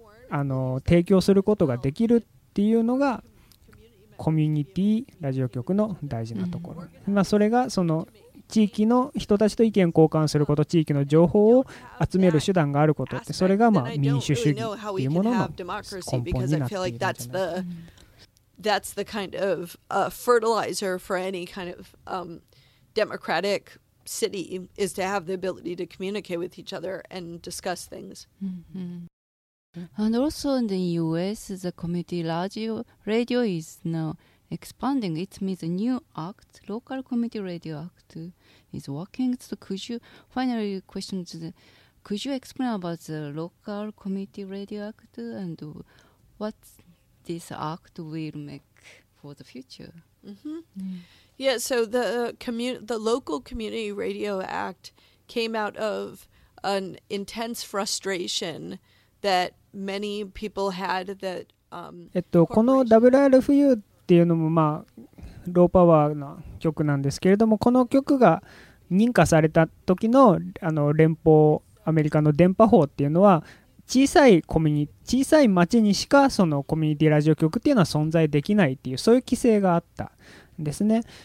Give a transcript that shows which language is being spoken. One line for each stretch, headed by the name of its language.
Japanese: 提供することができるっていうのがコミュニティラジオ局の大事なところ、うん、まあ、それがその地域の人たちと意見交換すること、地域の情報を集める手段があることって、それがまあ民主主義っていうものの根本になっているんじゃないか。
English: That's the kind of fertilizer for any kind of democratic city is to have the ability to communicate with each other and discuss things. Mm-hmm. And also in the U.S., the community radio is now expanding. It means a new act, local community radio act, is working. So could you finally question, could you explain about the local community radio act and what's this act will make for the future. Mm-hmm. Mm. Yeah, so the Local Community Radio Act came out of an intense frustration that many people had that
Japanese: この WRFU っていうのもまあローパワーの曲なんですけれども、この曲が認可された時の連邦アメリカの電波法っていうのは、小さい町にしかそのコミュニティラジオ局っていうのは存在できないっていう、そういう規制があったんですね。